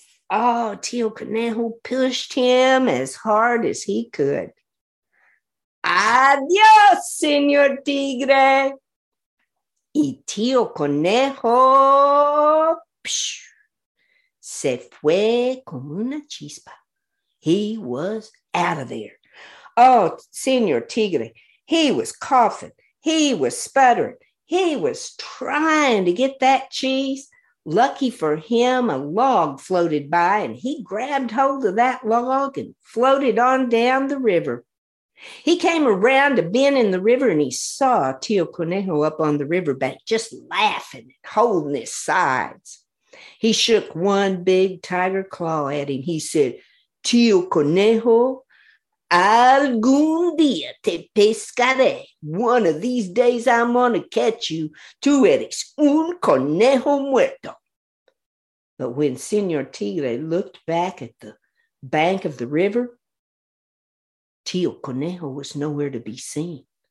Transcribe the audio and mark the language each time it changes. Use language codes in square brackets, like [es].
[en] Oh, Tio Conejo pushed him as hard as he could. [es] Adios, Señor Tigre. Y Tio Conejo se fue como una chispa. [en] He was out of there. Oh, Señor Tigre, he was coughing. He was sputtering. He was trying to get that cheese. Lucky for him, a log floated by, and he grabbed hold of that log and floated on down the river. He came around a bend in the river, and he saw Tio Conejo up on the riverbank just laughing and holding his sides. He shook one big tiger claw at him. He said, Tio Conejo, [es] algún día te pescaré. [en] One of these days I'm going to catch you. [es] Tú eres un conejo muerto. [en] But when Señor Tigre looked back at the bank of the river, Tio Conejo was nowhere to be seen.